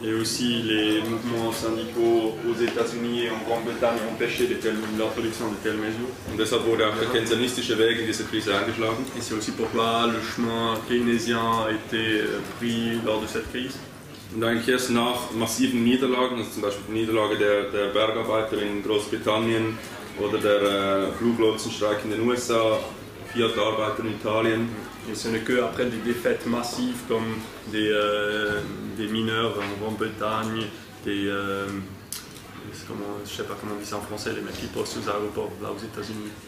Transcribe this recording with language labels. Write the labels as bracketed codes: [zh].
[fr] Et aussi les mouvements syndicaux aux États-Unis et en Grande-Bretagne empêchaient l'introduction de telles mesures. [de] Und deshalb wurde auch der keynesianistische Weg in dieser Krise eingeschlagen. [fr] Et c'est aussi pourquoi le chemin keynésien a été pris lors de cette crise. [de] Und eigentlich erst nach massiven Niederlagen, also zum Beispiel die Niederlage der Bergarbeiter in Großbritannien oder der Fluglotsenstreik in den USA, Fiat-Arbeiter in Italien. [fr] Et ce n'est que après des défaites massives comme des mineurs en Grande-Bretagne, les mecs qui postent aux aéroports là aux États-Unis.